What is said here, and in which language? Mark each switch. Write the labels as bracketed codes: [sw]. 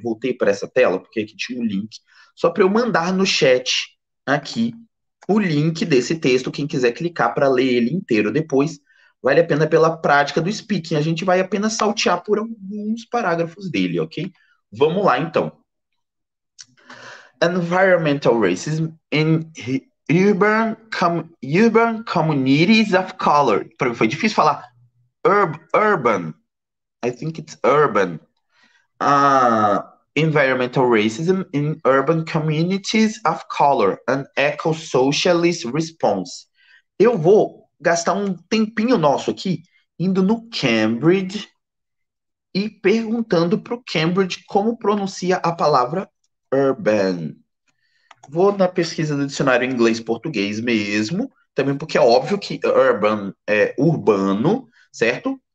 [pt] Voltei para essa tela, porque aqui tinha um link. Só para eu mandar no chat aqui o link desse texto. Quem quiser clicar para ler ele inteiro depois, vale a pena pela prática do speaking. A gente vai apenas saltear por alguns parágrafos dele, ok? Vamos lá, então. [en] Environmental racism in urban communities of color. [pt] Foi difícil falar. [en] Urban. I think it's urban. Environmental racism in urban communities of color, an eco-socialist response. [pt] Eu vou gastar um tempinho nosso aqui indo no Cambridge e perguntando para o Cambridge como pronuncia a palavra urban. Vou na pesquisa do dicionário inglês-português mesmo, também porque é óbvio que urban é urbano, certo?